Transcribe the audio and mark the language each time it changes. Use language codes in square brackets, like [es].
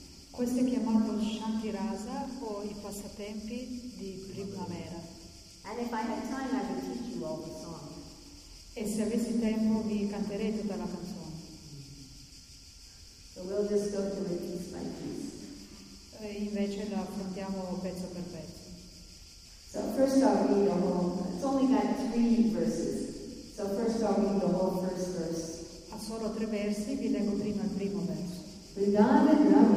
[it] Questo è chiamato Shanti Rasa o i passatempi di primavera. [en] And if I had time, I would teach you all the songs. [it] E se avessi tempo vi canterei tutta la canzone. [en] So we'll just go through it piece by piece. [it] E invece la affrontiamo pezzo per pezzo. [en] So first I'll read the whole. It's only got three verses. So first I'll read the whole first verse. [it] Ha solo tre versi, vi leggo prima il primo verso.